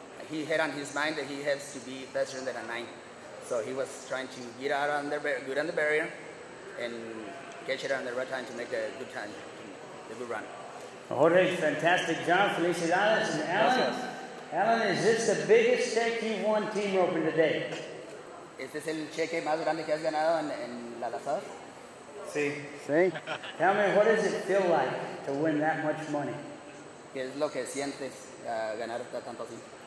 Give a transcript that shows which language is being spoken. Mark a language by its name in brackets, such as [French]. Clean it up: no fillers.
[English] He had on his mind that he has to be faster than a 9. So he was trying to get out on the good on the barrier and catch it on the right time to make a good time, a good run. Jorge, fantastic job. Felicidades. And Alan, [Spanish] gracias. [English] Alan, is this the biggest check you've won team roping today? [Spanish] ¿Es este el cheque más grande que has ganado en la lazada? Sí. Sí. [English] Tell me, what does it feel like to win that much money? [Spanish] ¿Qué es lo que sientes ganar tanto así?